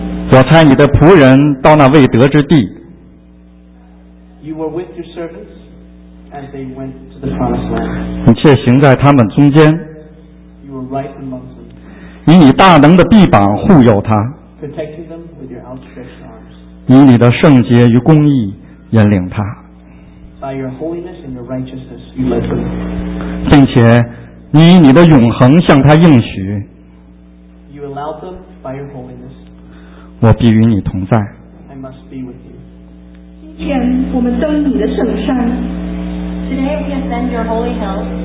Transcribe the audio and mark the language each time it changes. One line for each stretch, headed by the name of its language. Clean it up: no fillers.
Chinese: 我差你的仆人到那未得之地。
English: You were with your servants as they went to the promised land.
Chinese: 你却行在他们中间。
English: You were right among them.
Chinese: 以你大能的臂膀护佑他。
English: Protecting them with your outstretched arms.
Chinese: 以你的圣洁与公义引领他。
English: By your holiness and your righteousness, you led them.
Chinese: 并且你以你的永恒向他应许。
English: You allowed them. By your holiness,
Chinese: 我必与你同在。
English: I must be with you.
Chinese: 今天我们登你的圣山。
English: Today we ascend your holy hill.